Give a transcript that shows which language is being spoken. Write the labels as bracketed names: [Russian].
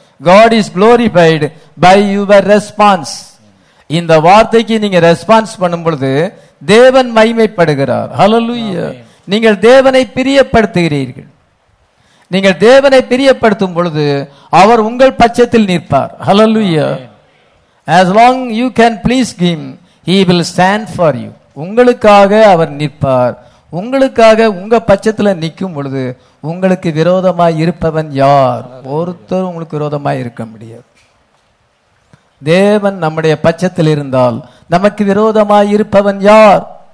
[English] God is glorified by your response. [Tamil] இந்த வார்த்தைக்கு நீங்க ரெஸ்பான்ஸ் பண்ணும் பொழுது தேவன் மகிமைப்படுகிறார். ஹல்லேலூயா. நீங்கள் தேவனை பிரியப்படுத்துகிறீர்கள். நீங்கள் தேவனை பிரியப்படுத்தும் பொழுது அவர் உங்கள் பட்சத்தில் நிற்பார். ஹல்லேலூயா. [English] As long you can please him, he will stand for you. [Tamil] உங்களுக்காக அவர் நிற்பார். உங்களுக்காக உங்க பட்சத்துல நிற்கும் பொழுது உங்களுக்கு விரோதமாய் இருப்பவன் யார், ஒருத்தர் உங்களுக்கு விரோதமாய் இருக்க முடியாது. தேவன் நம்முடைய பட்சத்தில் இருந்தால் நமக்கு விரோதமாய் இருப்பவன் யார்,